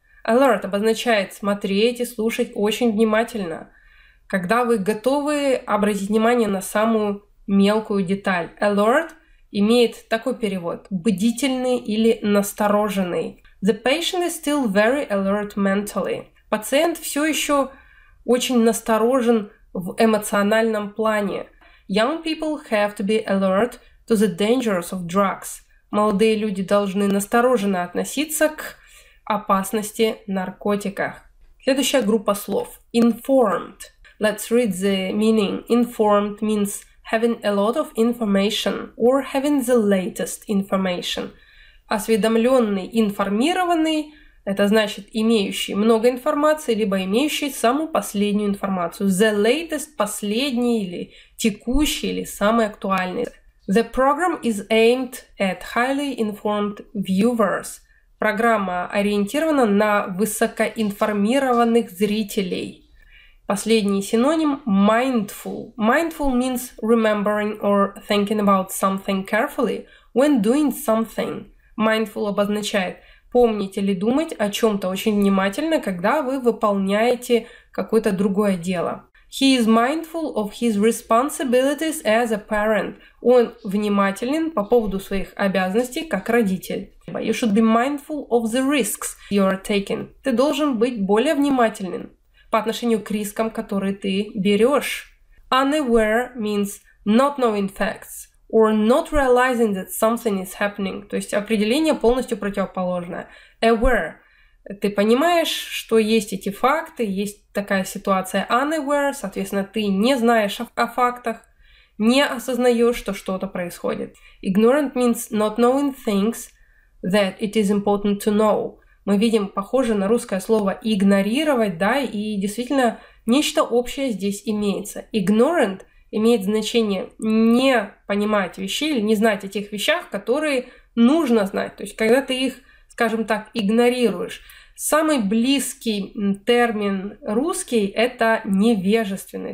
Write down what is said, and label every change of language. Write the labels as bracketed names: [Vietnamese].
[Russian] Alert обозначает смотреть и слушать очень внимательно, когда вы готовы обратить внимание на самую мелкую деталь. Alert имеет такой перевод – бдительный или настороженный. [English] The patient is still very alert mentally. [Russian] Пациент все еще очень насторожен в эмоциональном плане. [English] Young people have to be alert to the dangers of drugs. [Russian] Молодые люди должны настороженно относиться к опасности наркотиках. Следующая группа слов. [English] Informed. Let's read the meaning. Informed means having a lot of information or having the latest information. [Russian] Осведомленный, информированный – это значит имеющий много информации либо имеющий самую последнюю информацию. The latest – последний или текущий или самый актуальный. [English] The program is aimed at highly informed viewers. [Russian] Программа ориентирована на высокоинформированных зрителей. [English] Последний синоним – mindful. Mindful means remembering or thinking about something carefully when doing something. [Russian] Mindful обозначает помнить или думать о чем-то очень внимательно, когда вы выполняете какое-то другое дело. [English] He is mindful of his responsibilities as a parent. [Russian] Он внимателен по поводу своих обязанностей как родитель. [English] You should be mindful of the risks you are taking. [Russian] Ты должен быть более внимателен по отношению к рискам, которые ты берешь. [English] Unaware means not knowing facts or not realizing that something is happening. [Russian] То есть определение полностью противоположное. [English] Aware. [Russian] Ты понимаешь, что есть эти факты, есть такая ситуация unaware, соответственно, ты не знаешь о фактах, не осознаешь, что что-то происходит. [English] Ignorant means not knowing things that it is important to know. [Russian] Мы видим, похоже на русское слово игнорировать, да, и действительно нечто общее здесь имеется. Ignorant имеет значение не понимать вещи или не знать о тех вещах, которые нужно знать. То есть, когда ты их, скажем так, игнорируешь. Самый близкий термин русский — это невежественный.